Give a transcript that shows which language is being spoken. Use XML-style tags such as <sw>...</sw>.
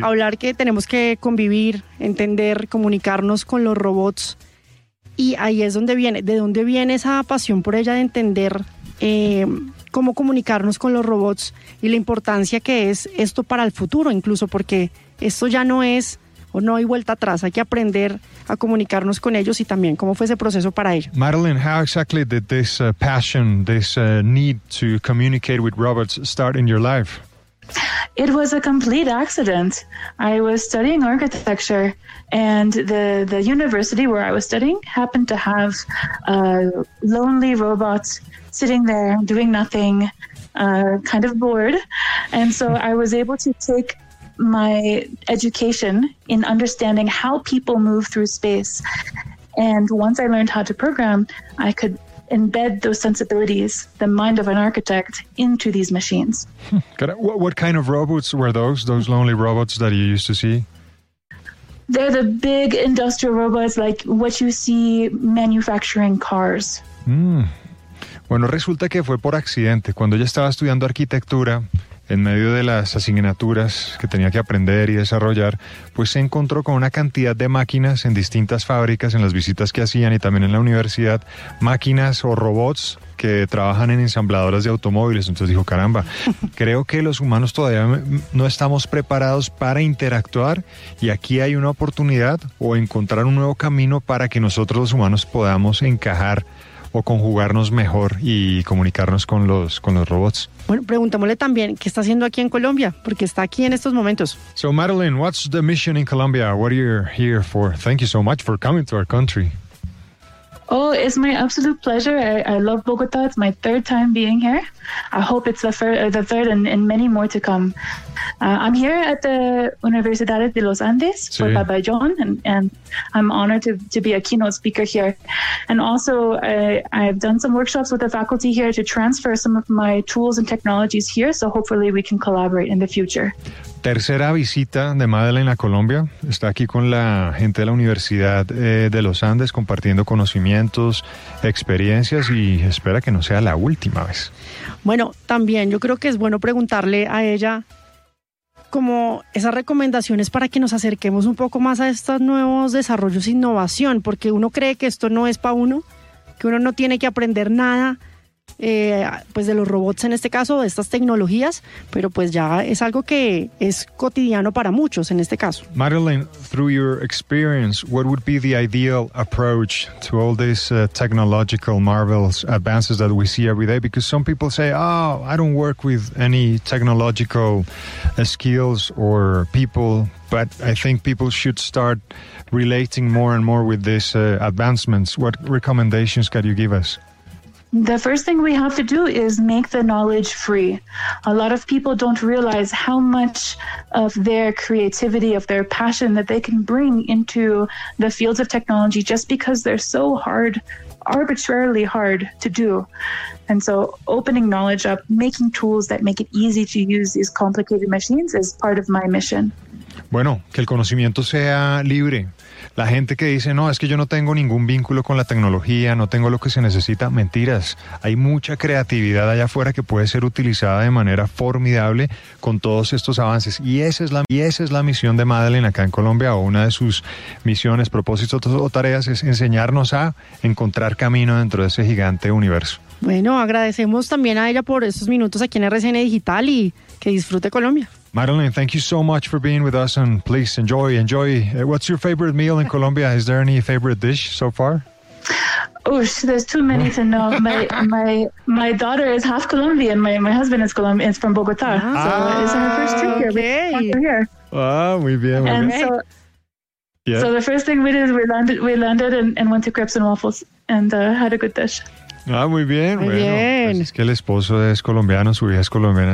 <es>Hablar que tenemos que convivir, entender, comunicarnos con los robots, y ahí es donde viene, de dónde viene esa pasión por ella de entender cómo comunicarnos con los robots y la importancia que es esto para el futuro, incluso porque esto ya no es, o no hay vuelta atrás, hay que aprender a comunicarnos con ellos, y también cómo fue ese proceso para ella.</es> <en>Madeleine, how exactly did this passion, this need to communicate with robots start in your life? It was a complete accident. I was studying architecture, and the university where I was studying happened to have a lonely robot sitting there doing nothing, kind of bored. And so I was able to take my education in understanding how people move through space. And once I learned how to program, I could embed those sensibilities, the mind of an architect, into these machines. What kind of robots were those lonely robots that you used to see? They're the big industrial robots, like what you see manufacturing cars.</en> <es>Bueno, resulta que fue por accidente. Cuando ella estaba estudiando arquitectura, en medio de las asignaturas que tenía que aprender y desarrollar, pues se encontró con una cantidad de máquinas en distintas fábricas, en las visitas que hacían y también en la universidad, máquinas o robots que trabajan en ensambladoras de automóviles. Entonces dijo, caramba, creo que los humanos todavía no estamos preparados para interactuar y aquí hay una oportunidad o encontrar un nuevo camino para que nosotros los humanos podamos encajar o conjugarnos mejor y comunicarnos con los robots. Bueno, preguntémosle también, ¿qué está haciendo aquí en Colombia? Porque está aquí en estos momentos.</es> <en>So, Madeline, what's the mission in Colombia? What are you here for? Thank you so much for coming to our country. Oh, it's my absolute pleasure. I love Bogotá. It's my third time being here. I hope it's the third and many more to come. I'm here at the Universidad de los Andes, sí, for Babayón, and I'm honored to be a keynote speaker here. And also, I've done some workshops with the faculty here to transfer some of my tools and technologies here, so hopefully we can collaborate in the future.</en> <es>Tercera visita de Madeline a Colombia. Está aquí con la gente de la Universidad de los Andes compartiendo conocimientos, experiencias y espera que no sea la última vez. Bueno, también yo creo que es bueno preguntarle a ella como esas recomendaciones para que nos acerquemos un poco más a estos nuevos desarrollos e innovación, porque uno cree que esto no es para uno, que uno no tiene que aprender nada. Pues de los robots en este caso, de estas tecnologías, pero pues ya es algo que es cotidiano para muchos en este caso. Madeline, through your experience, what would be the ideal approach to all these technological marvels, advances that we see every day? Because some people say, oh, I don't work with any technological skills or people, but I think people should start relating more and more with these advancements. What recommendations could you give us? The first thing we have to do is make the knowledge free. A lot of people don't realize how much of their creativity, of their passion that they can bring into the fields of technology just because they're so hard, arbitrarily hard to do. And so opening knowledge up, making tools that make it easy to use these complicated machines is part of my mission. Bueno, que el conocimiento sea libre. La gente que dice, no, es que yo no tengo ningún vínculo con la tecnología, no tengo lo que se necesita, mentiras. Hay mucha creatividad allá afuera que puede ser utilizada de manera formidable con todos estos avances. Y esa es la misión de Madeline acá en Colombia, o una de sus misiones, propósitos o tareas, es enseñarnos a encontrar camino dentro de ese gigante universo. Bueno, agradecemos también a ella por estos minutos aquí en RCN Digital y que disfrute Colombia.</es> <en>Madeline, thank you so much for being with us, and please enjoy. What's your favorite meal in Colombia? Is there any favorite dish so far? Oosh, there's too many to know. My daughter is half Colombian. My husband is from Bogota. Ah, so it's her first trip here. Okay.</en> <es>Muy bien.</es> <en>So the first thing we did is we landed and went to crepes and waffles and had a good dish.</en> <es>Muy bien. Pues es que el esposo es colombiano, su hija es colombiana.</es>